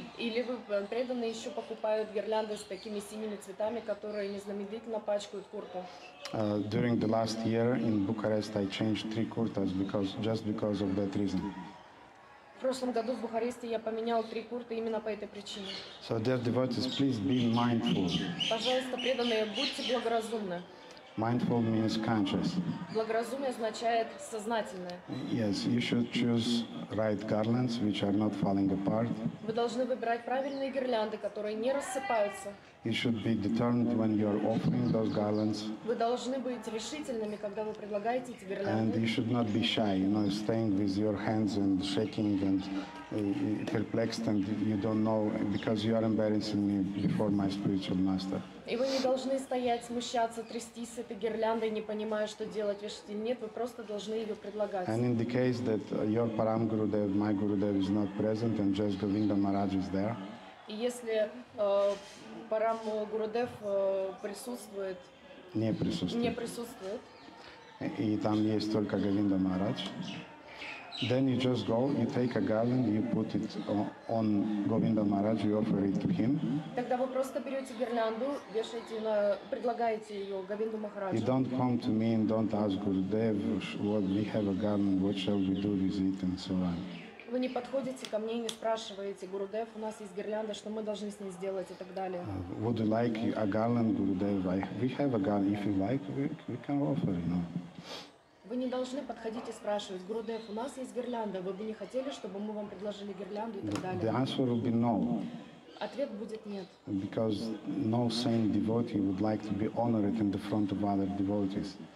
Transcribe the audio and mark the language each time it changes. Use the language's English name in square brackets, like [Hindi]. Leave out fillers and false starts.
[Russian] Или вы преданные еще покупают гирлянды с такими синими цветами, которые незамедлительно пачкают курту. [English] During the last year in Bucharest I changed 3 kurtas because of that reason. [Russian] В прошлом году в Бухаресте я поменял 3 курты именно по этой причине. [English] So dear devotees, please be mindful. [Russian] Пожалуйста, преданные, будьте благоразумны. [English] Mindful means conscious. [Russian] Благоразумие означает сознательное. [English] Yes, you should choose right garlands which are not falling apart. [Russian] Вы должны выбирать правильные гирлянды, которые не рассыпаются. [English] You should be determined when you are offering those garlands. [Russian] Вы должны быть решительными, когда вы предлагаете эти гирлянды. [English] And you should not be shy, you know, staying with your hands and shaking and perplexed and you don't know, because you are embarrassing me before my spiritual master. [Russian] И вы не должны стоять, смущаться, трястись с этой гирляндой, не понимая, что делать, вешать или нет. Вы просто должны ее предлагать. [English] And in the case that your Param Gurudev, my Gurudev is not present and just Govinda Maharaj is there. [Russian] И если Парам Гурудев присутствует, не присутствует, и там есть только Говинда Махарадж, [English] then you just go, you take a garland, you put it on Govinda Maharaj, you offer it to him. [Russian] Тогда вы просто берете гирлянду, вешаете на, предлагаете ее Говинду Махараджу. [English] You don't come to me and don't ask Gurudev, what we have a garland, what shall we do with it and so on. [Russian] Вы не подходите ко мне и не спрашиваете, Гурудев, у нас есть гирлянда, что мы должны с ней сделать и так далее. [English] Would you like a garland, Gurudev? We have a garland. If you like, we can offer, you know. [Russian] Вы не должны подходить и спрашивать, Гурудев, у нас есть гирлянда, вы бы не хотели, чтобы мы вам предложили гирлянду и так далее? [English] The answer will be no. [Russian] Ответ будет нет. [English] Because no sane devotee would like to be honored in the front of other devotees.